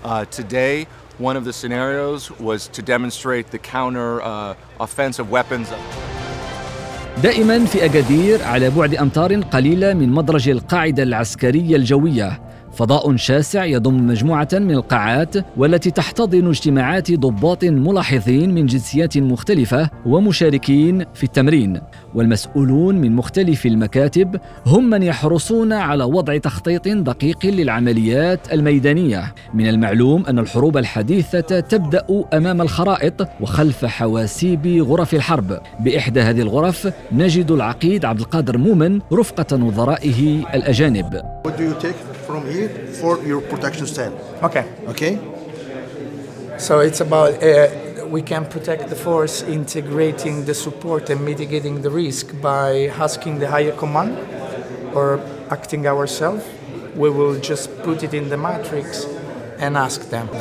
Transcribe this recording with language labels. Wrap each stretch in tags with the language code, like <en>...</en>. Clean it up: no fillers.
<en>Today, one of the scenarios was to demonstrate the counter offensive weapons.</en> <ar>دائما في أجدير على بعد أمتار قليلة من مدرج القاعدة العسكرية الجوية، فضاء شاسع يضم مجموعة من القاعات والتي تحتضن اجتماعات ضباط ملاحظين من جنسيات مختلفة ومشاركين في التمرين، والمسؤولون من مختلف المكاتب هم من يحرصون على وضع تخطيط دقيق للعمليات الميدانية. من المعلوم أن الحروب الحديثة تبدأ أمام الخرائط وخلف حواسيب غرف الحرب. بإحدى هذه الغرف نجد العقيد عبد القادر مومن رفقة نظرائه الأجانب.</ar> <en>From here for your protection stand. Okay. Okay. So it's about we can protect the force, integrating the support and mitigating the risk by asking the higher command or acting ourselves. We will just put it in the matrix and ask them.</en>